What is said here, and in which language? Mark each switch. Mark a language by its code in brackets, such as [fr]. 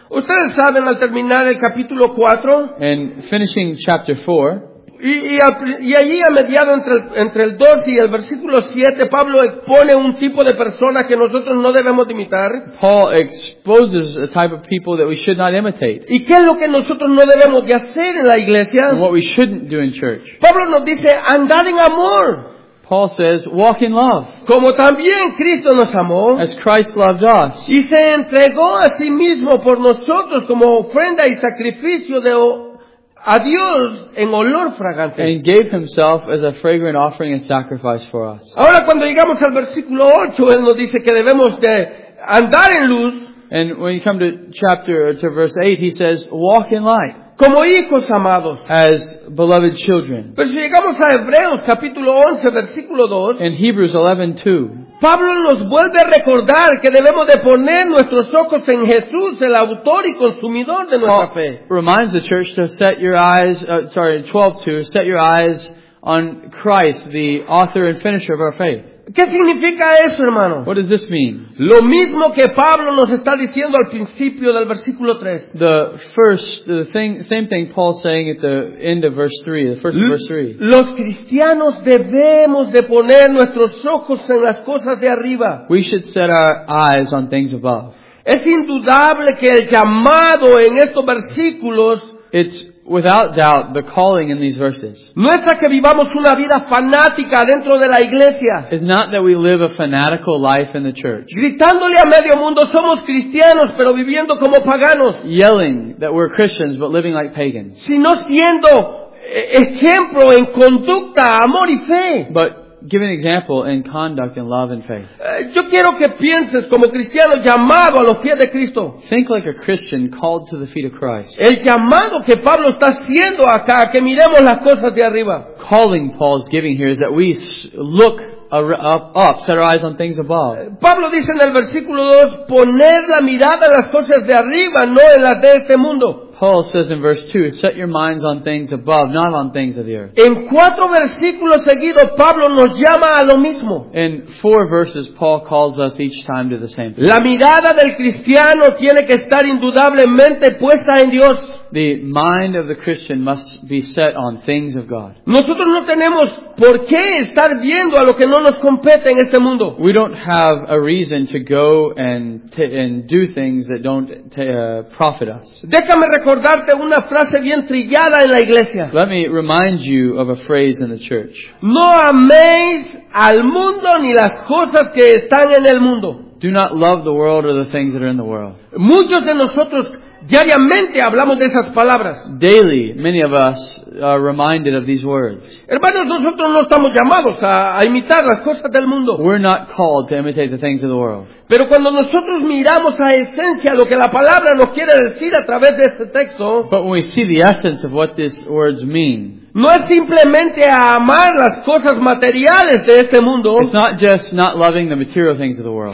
[es] Ustedes saben, al terminar el capítulo 4, [en] and finishing chapter 4, [es] y allí a mediado entre el 2 y el versículo 7, Pablo expone un tipo de persona que nosotros no debemos imitar. [en] Paul exposes a type of people that we should not imitate. [es] ¿Y qué es lo que nosotros no debemos de hacer en la iglesia? [en] And what we shouldn't do in church. [es] Pablo nos dice, andar en amor. [en] Paul says, walk in love. [es] Como también Cristo nos amó. [en] As Christ loved us. [es] Y se entregó a sí mismo por nosotros como ofrenda y sacrificio de a Dios en olor fragante. [en] And gave himself as a fragrant offering and sacrifice for us. [es] Ahora cuando llegamos al versículo 8, él nos dice que debemos de andar en luz. [en] And when you come to verse 8, he says, walk in light. [es] Como hijos amados. [en] As beloved children. [es] Pero si llegamos a Hebreos capítulo 11 versículo 2. [en] In Hebrews 11:2. [es] Pablo nos vuelve a recordar que debemos de poner nuestros ojos en Jesús, el autor y consumidor de nuestra fe. [en] Reminds the church to set your eyes, 12:2, set your eyes on Christ, the author and finisher of our faith. [es] ¿Qué significa eso, hermano? [en] What does this mean? [es] Lo mismo que Pablo nos está diciendo al principio del versículo 3. [en] The same thing Paul's saying at the end of verse 3, the first of verse 3. [es] Los cristianos debemos de poner nuestros ojos en las cosas de arriba. [en] We should set our eyes on things above. [es] Es indudable que el llamado en estos versículos, [en] it's without doubt the calling in these verses, [es] no es que vivamos una vida fanática dentro de la iglesia, [en] is not that we live a fanatical life in the church, [es] gritándole a medio mundo somos cristianos pero viviendo como paganos, [en] yelling that we're Christians but living like pagans, [es] sino siendo ejemplo en conducta, amor y fe. [en] But give an example in conduct and love and faith. [es] Yo quiero que pienses como cristiano llamado a los pies de Cristo. [en] Think like a Christian called to the feet of Christ. [es] El llamado que Pablo está haciendo acá, que miremos las cosas de arriba. [en] Calling Paul's giving here is that we look up, set our eyes on things above. [es] Pablo dice en el versículo 2, poner la mirada en las cosas de arriba, no en las de este mundo. [en] Paul says in verse 2, set your minds on things above, not on things of the earth. [es] En cuatro versículos seguidos, Pablo nos llama a lo mismo. [en] In four verses, Paul calls us each time to the same thing. [es] La mirada del cristiano tiene que estar indudablemente puesta en Dios. [en] The mind of the Christian must be set on things of God. [es] Nosotros no tenemos por qué estar viendo a lo que no nos compete en este mundo. [en] We don't have a reason to go and do things that don't profit us. [es] Déjame recordarte una frase bien trillada en la iglesia. [en] Let me remind you of a phrase in the church. [es] No améis al mundo ni las cosas que están en el mundo. [en] Do not love the world or the things that are in the world. [es] Muchos de nosotros diariamente hablamos de esas palabras. [en] Daily, many of us are reminded of these words. [es] Hermanos, nosotros no estamos llamados a imitar las cosas del mundo. [en] We're not called to imitate the things of the world. [es] Pero cuando nosotros miramos a esencia lo que la palabra nos quiere decir a través de este texto, [en] but when we see the essence of what these words mean, [es] no es simplemente a amar las cosas materiales de este mundo, [en] it's not just not loving the material things of the world,